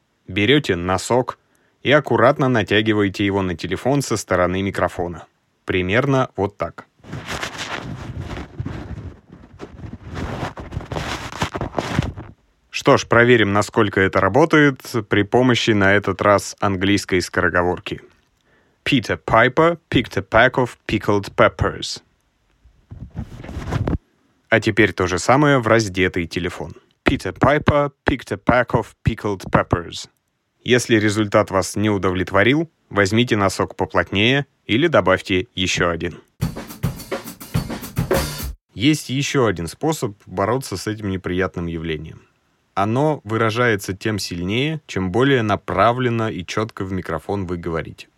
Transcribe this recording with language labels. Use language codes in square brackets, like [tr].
[ru] Берете носок и аккуратно натягиваете его на телефон со стороны микрофона. Примерно вот так. Что ж, проверим, насколько это работает при помощи на этот раз английской скороговорки. [en] Peter Piper picked a pack of pickled peppers. [ru] А теперь то же самое в раздетый телефон. [en] Peter Piper picked a pack of pickled peppers. [ru] Если результат вас не удовлетворил, возьмите носок поплотнее или добавьте еще один. Есть еще один способ бороться с этим неприятным явлением. Оно выражается тем сильнее, чем более направленно и четко в микрофон вы говорите.